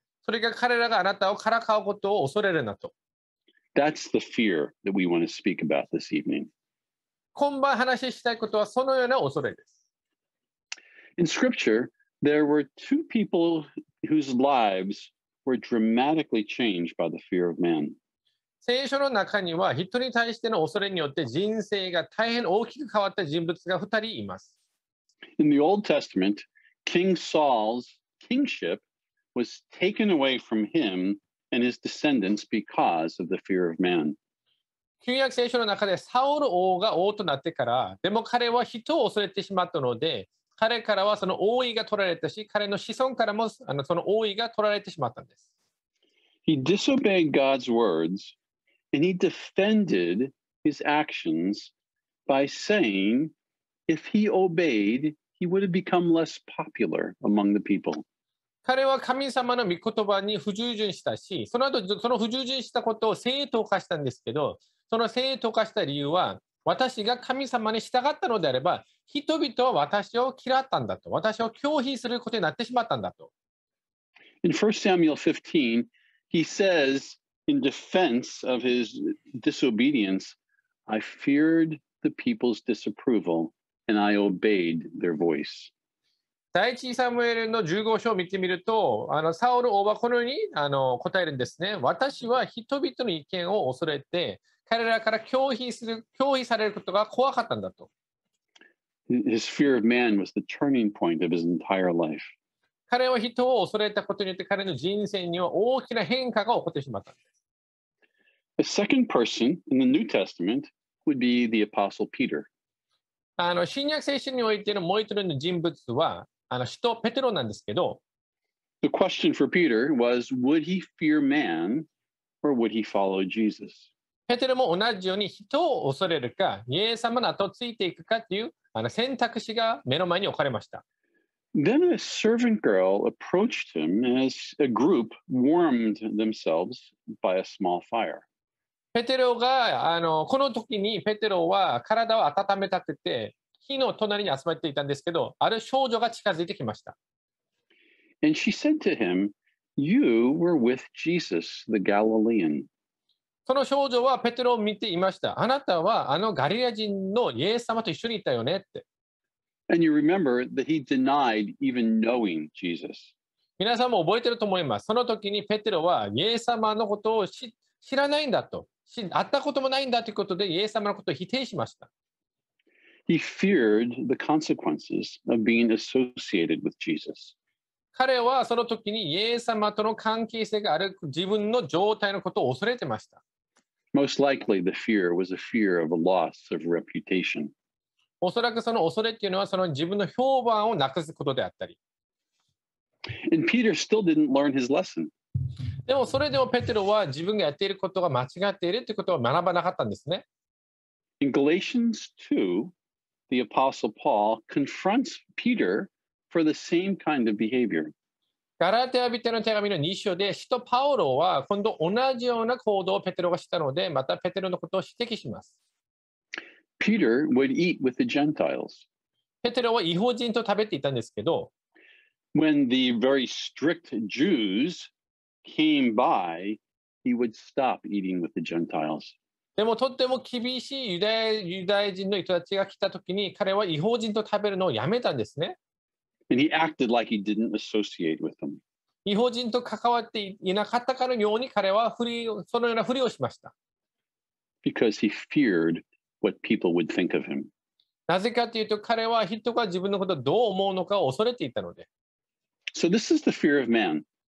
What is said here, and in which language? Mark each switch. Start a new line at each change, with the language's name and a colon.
Japanese: それが彼らがあなたをからかうことを恐れるなと。
English: That's the fear that we want to speak about this evening.
Japanese: 今晩話したいことはそのような恐れです。
English: In scripture, there were two people whose lives were dramatically changed by the fear of man.
Japanese: 聖書の中には人に対しての恐れによって人生が大変大きく変わった人物が二人います。
English: In the Old Testament, King Saul's kingship was taken away from him and his descendants because of the fear of man.
Japanese: 旧約聖書の中でサウル王が王となってから、でも彼は人を恐れてしまったので、彼からはその王位が取られたし、彼の子孫からもその王位が取られてしまったんです。
English: He disobeyed God's words, and he defended his actions by saying, if he obeyed, he would have become less popular among the people.
Japanese: 彼は神様の御言葉に不従順したし、その後その不従順したことを正当化したんですけど、その正当化した理由は、私が神様に従ったのであれば、人々は私を嫌ったんだと、私を拒否することになってしまったんだと。
English: In 1 Samuel 15, he says, in defense of his disobedience, I feared the people's disapproval and I obeyed their voice.
Japanese: 第一サムエルの15章を見てみると、サウル王はこのように答えるんですね。私は人々の意見を恐れて、彼らから拒否されることが怖かったんだと。
English: His fear of man was the turning point of his entire life.
Japanese: 彼は人を恐れたことによって彼の人生には大きな変化が起こってしまったんです。
English: The second person in the New Testament would be the Apostle Peter.
Japanese: 新約聖書においてのもう一人の人物は使徒ペテロなんですけど。
English: The question for Peter was, would he fear man or would he follow Jesus?
Japanese: ペテロも同じように人を恐れるか、イエス様の後をついていくかという選択肢が目の前に置かれました。
English: Then a servant girl approached him as a group warmed themselves by a small fire.
Japanese: ペテロがこの時にペテロは体を温めたくて火の隣に集まっていたんですけど、ある少女が近づいてきました。
English: And she said to him, "You were with Jesus, the Galilean."
Japanese: その少女はペテロを見ていました。あなたはガリラ人のイエス様と一緒にいたよねって。
English: And you remember that he denied even knowing Jesus.
Japanese: 皆さんも覚えてると思います。その時にペテロはイエス様のことを知らないんだと、会ったこともないんだということでイエス様のことを否定しました。
English: He feared the consequences of being associated with Jesus.
Japanese: 彼はその時にイエス様との関係性がある自分の状態のことを恐れてました。
English: Most likely the fear was a fear of a loss of reputation.
Japanese: おそらくその恐れっていうのはその自分の評判をなくすことであったり。
English: And Peter still didn't learn his lesson.
Japanese: でもそれでもペテロは自分がやっていることが間違っているということを学ばなかったんですね。
English: In Galatians 2, the Apostle Paul confronts Peter for the same kind of behavior.
Japanese: ガラテヤ人への手紙の2章で使徒パウロは今度同じような行動をペテロがしたので、またペテロのことを指摘します。
English: Peter would eat with the Gentiles.
Japanese: ペテロは異邦人と食べていたんですけど、
English: When the very strict Jews came by, he would stop eating with the Gentiles.
Japanese: でもとっても厳しいユダヤ人の人たちが来た時に、彼は異邦人と食べるのをやめたんですね。
English: And he acted like he didn't associate with them.
Japanese: 異邦人と関わっていなかったかのように彼はそのようなふりをしました。
English: Because he feared. What people would think of him.
Japanese: なぜかというと彼は人が自分のことをどう思うのかを恐れていたので。
English: So this is the fear of man.